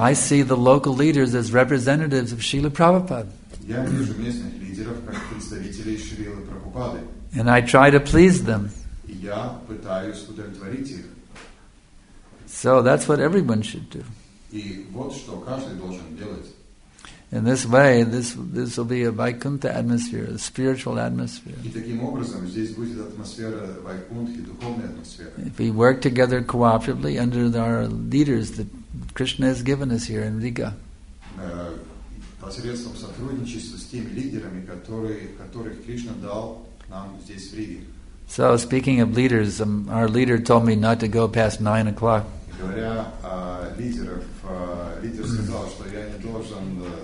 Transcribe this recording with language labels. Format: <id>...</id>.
<en>I see the local leaders as representatives of Srila Prabhupada.</en> <ru>Я вижу местных лидеров как представителей Шрилы Прабхупады.</ru> <en>And I try to please them.</en> <ru>И я пытаюсь удовлетворить их.</ru> <en>So that's what everyone should do.</en> <ru>И вот что каждый должен делать.</ru> <en>In this way, this will be a Vaikuntha atmosphere, a spiritual atmosphere.</en> <ru>И таким образом здесь будет атмосфера Вайкунтхи, духовная атмосфера.</ru> <en>If we work together cooperatively under our leaders that Krishna has given us here in Riga.</en> <ru>Посредством сотрудничества с теми лидерами, которых Кришна дал нам здесь в Риге.</ru> <en>So speaking of leaders, our leader told me not to go past 9 o'clock.</en> <ru>Говоря о лидерах, лидер сказал, что я не должен</ru>